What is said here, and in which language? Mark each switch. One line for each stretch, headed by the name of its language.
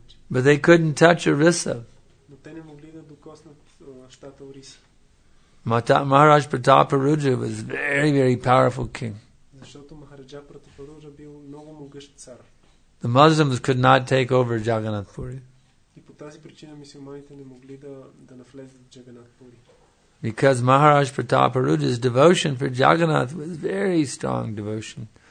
English: But they couldn't touch Orissa.
Bulgarian: Но те не могли да докоснат щата Ориса.
English: Maharaj Prataparudra was very, very powerful king.
Bulgarian: Защото Махараджа Пратапаруджа бил много могъщ цар.
English: The Muslims could not take over Jagannath Puri.
Bulgarian: И по тази причина мюсюлманите не могли да навлезат в Jagannath Puri.
English: Because Maharaj Prataparudra's devotion for Jagannath was very strong devotion.